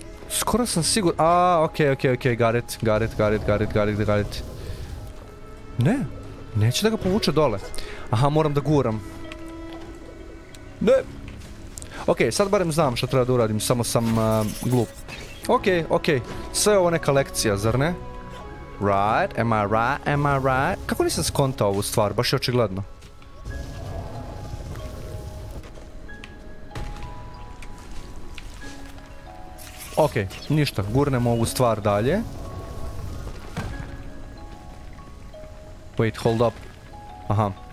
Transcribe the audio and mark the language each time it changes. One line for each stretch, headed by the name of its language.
Serbian: Skoro sam sigur... Aaaa, okej, okej, okej,
English: got it.
Serbian: Ne, neće da ga povuče dole. Aha, moram da guram. Ne. Okej, sad barem znam šta treba da uradim, samo sam glup. Okej, okej, sve je ovo neka lekcija, zar ne?
English: Right, am I right, am I right?
Serbian: Kako nisam skontao ovu stvar, baš je očigledno. Okej, ništa, gurnemo ovu stvar dalje.
English: Wait, hold up. Aha.